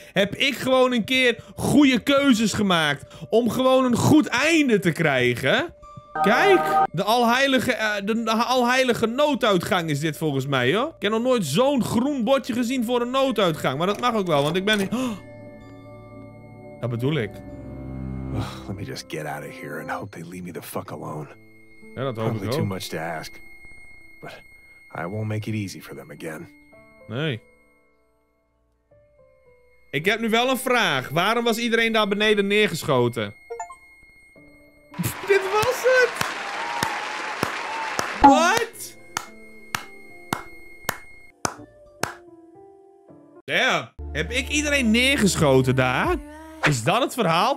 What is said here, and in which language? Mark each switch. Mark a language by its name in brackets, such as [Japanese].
[Dutch] Heb ik gewoon een keer goede keuzes gemaakt om gewoon een goed einde te krijgen? Kijk, de alheilige nooduitgang is dit volgens mij, joh. Ik heb nog nooit zo'n groen bordje gezien voor een nooduitgang. Maar dat mag ook wel, want ik ben... Dat bedoel ik. [English] Let me just get out of here and hope they leave me the fuck alone. [Dutch] Ja, dat hoop [English] probably [Dutch] ik ook. [English] Too much to ask. But I won't make it easy for them again. [Dutch] Nee. Ik heb nu wel een vraag. Waarom was iedereen daar beneden neergeschoten? Dit was het! [English] What? [Dutch] Damn. Heb ik iedereen neergeschoten daar? Is dat het verhaal?